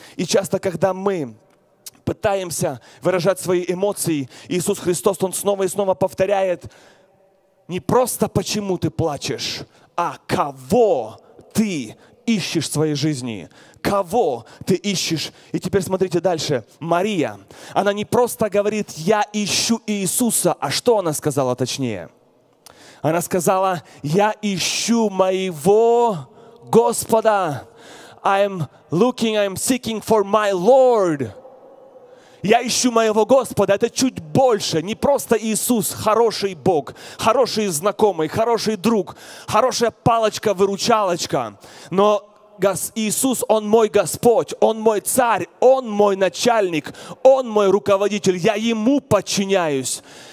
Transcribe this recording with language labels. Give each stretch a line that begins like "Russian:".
Russian: И часто, когда мы пытаемся выражать свои эмоции, Иисус Христос, Он снова и снова повторяет, не просто почему ты плачешь, а кого ты ищешь в своей жизни, кого ты ищешь. И теперь смотрите дальше. Мария, она не просто говорит, я ищу Иисуса, а что она сказала точнее? Она сказала, я ищу моего Господа.
English: I'm looking, I'm seeking for my Lord.
Russian: Я ищу моего Господа. Это чуть больше. Не просто Иисус, хороший Бог, хороший знакомый, хороший друг, хорошая палочка-выручалочка. Но Иисус, Он мой Господь, Он мой Царь, Он мой начальник, Он мой руководитель. Я Ему подчиняюсь.